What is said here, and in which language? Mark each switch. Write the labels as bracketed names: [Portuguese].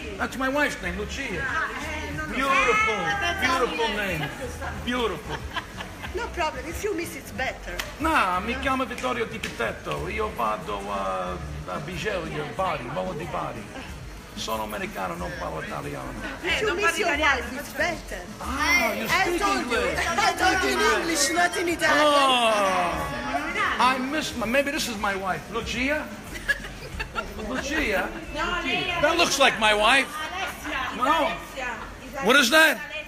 [English] That's my wife's name, Lucia. Beautiful, beautiful name. Beautiful. No problem, if you miss it's better. [Italian] No, mi chiamo Vittorio Dibitetto. Io vado a Bisceglie, Bari, vado di Bari. Sono americano, non parlo italiano. [English] If you miss your wife, it's better. Ah, you speak English. I talk in English, not in Italian. Oh, I miss my, maybe this is my wife, Lucia? Lucia? That looks like my wife. Alessia. No. What is that?